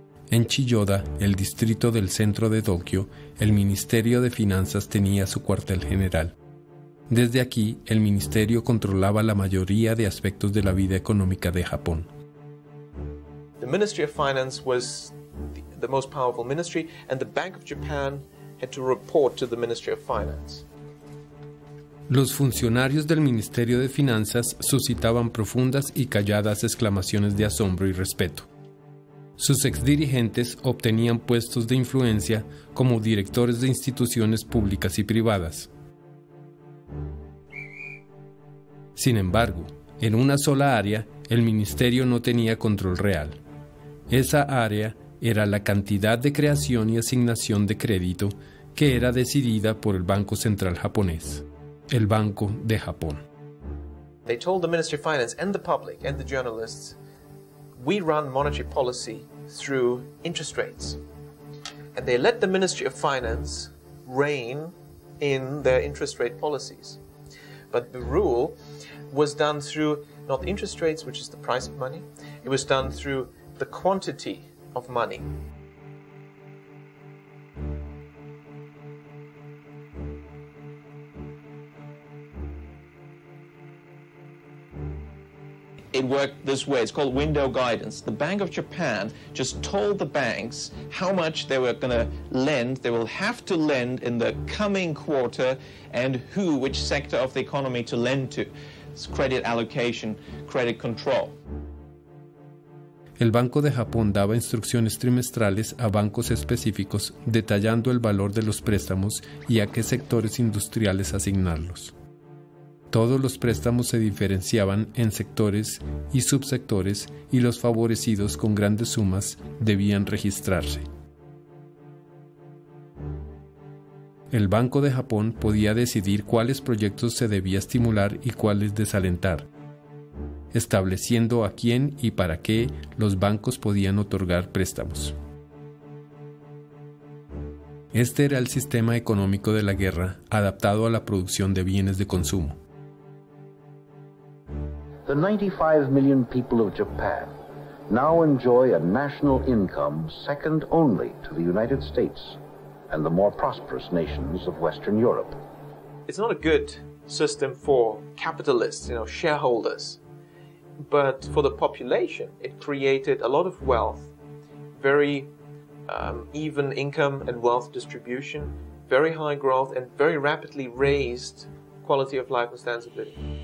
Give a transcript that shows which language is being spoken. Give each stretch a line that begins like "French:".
Spanish: En Chiyoda, el distrito del centro de Tokio, el Ministerio de Finanzas tenía su cuartel general. Desde aquí, el ministerio controlaba la mayoría de aspectos de la vida económica de Japón.
English: The Ministry of Finance was the most powerful ministry, and the Bank of Japan had to report to the Ministry of Finance.
Spanish: Los funcionarios del Ministerio de Finanzas suscitaban profundas y calladas exclamaciones de asombro y respeto. Sus exdirigentes obtenían puestos de influencia como directores de instituciones públicas y privadas. Sin embargo, en una sola área, el ministerio no tenía control real. Esa área era la cantidad de creación y asignación de crédito que era decidida por el Banco Central Japonés, el Banco de Japón.
English: They told the Ministry of Finance and the public and the journalists, we run monetary policy through interest rates. And they let the Ministry of Finance rein in their interest rate policies. But the rule was done through not interest rates, which is the price of money, it was done through the quantity of money. It worked this way. It's called window guidance. The Bank of Japan just told the banks how much they were going to lend, they will have to lend in the coming quarter, and who, which sector of the economy to lend to. It's credit allocation, credit control.
Spanish: El Banco de Japón daba instrucciones trimestrales a bancos específicos detallando el valor de los préstamos y a qué sectores industriales asignarlos. Todos los préstamos se diferenciaban en sectores y subsectores y los favorecidos con grandes sumas debían registrarse. El Banco de Japón podía decidir cuáles proyectos se debía estimular y cuáles desalentar, estableciendo a quién y para qué los bancos podían otorgar préstamos. Este era el sistema económico de la guerra, adaptado a la producción de bienes de consumo.
English: The 95 million people of Japan now enjoy a national income second only to the United States and the more prosperous nations of Western Europe. It's not a good system for capitalists, you know, shareholders, but for the population, it created a lot of wealth, very even income and wealth distribution, very high growth, and very rapidly raised quality of life and standards of living.